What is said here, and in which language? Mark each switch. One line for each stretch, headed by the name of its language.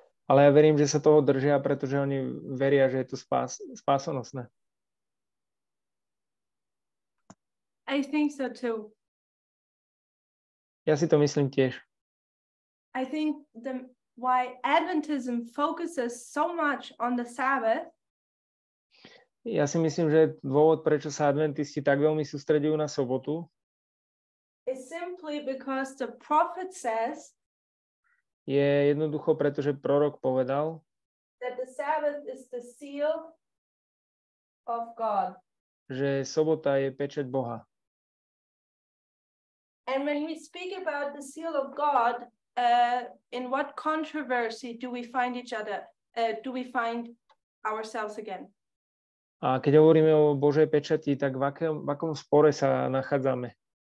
Slovak: Ale ja verím, že sa toho držia, pretože oni veria, že je to spásonosné.
English: I think so too.
Slovak: Ja si to myslím tiež.
English: I think why Adventism focuses so much on the Sabbath.
Slovak: Ja si myslím, že dôvod, prečo sa Adventisti tak veľmi sústredujú na sobotu,
English: is simply because the prophet says,
Slovak: je jednoducho, pretože prorok povedal,
English: that the Sabbath is the seal of God.
Slovak: Že sobota je pečať Boha.
English: And when we speak about the seal of God, in what controversy do we find ourselves again?
Slovak: A keď hovoríme o Božej pečati, tak v akom spore sa nachádzame?